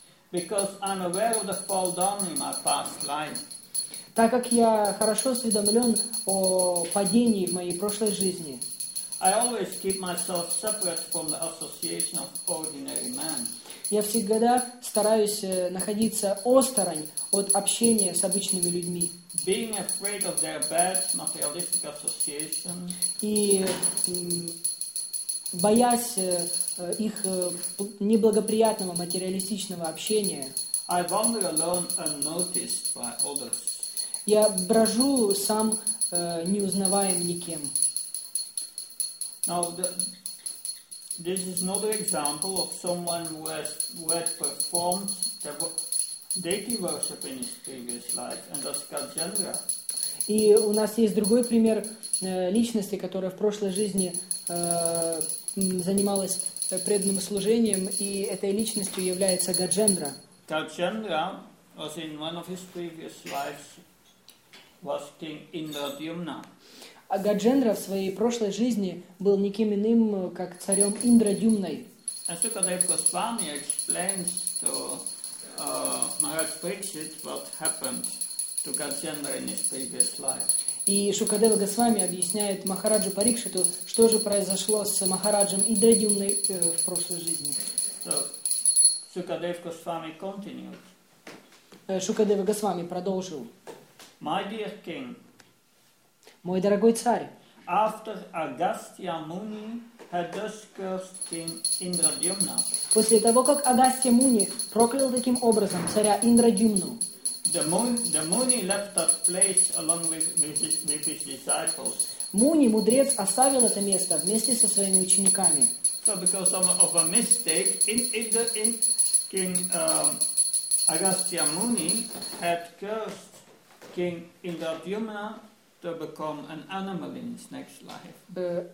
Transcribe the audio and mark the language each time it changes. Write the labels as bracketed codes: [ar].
[en] Because I'm aware of the fall down in my past life. [ru] Так как я хорошо осведомлен о падении в моей прошлой жизни. [en] I always keep myself separate from the association of ordinary men. [ru] Я всегда стараюсь находиться осторонь от общения с обычными людьми. [en] Being afraid of their bad materialistic association. [ru] И боясь их неблагоприятного материалистичного общения, [en] I wander alone unnoticed by others. [ru] Я брожу сам, не узнаваем никем. [en] Now, this is another example of someone who has performed deity worship in his previous life, and that's Gajendra. [ru] И у нас есть другой пример личности, которая в прошлой жизни занималась преданным служением, и этой личностью является Гаджендра. [en] Gajendra was in one of his previous lives was King Indradyumna. [ru] А Гаджендра в своей прошлой жизни был никем иным, как царем Индрадюмной. [en] And Sukadev Goswami explains to Maharaj Parikshit what happened to Gajendra in his previous life. [ru] И Шукадева Госвами объясняет Махараджу Парикшиту, что же произошло с Махараджем Индрадюмной в прошлой жизни. [en] Шукадева Госвами continued. [ru] Шукадева Госвами продолжил. [en] My dear king, [ru] мой дорогой царь, [en] after Agastya Muni had thus cursed King Indradyumna, [ru] после того, как Агастья Муни проклял таким образом царя Индрадюмну, [en] The Muni left that place along with his disciples. [ru] Муни, мудрец, оставил это место вместе со своими учениками. [en] So because of a mistake, in King Agastya Muni had cursed King Indradyumna to become an animal in his next life.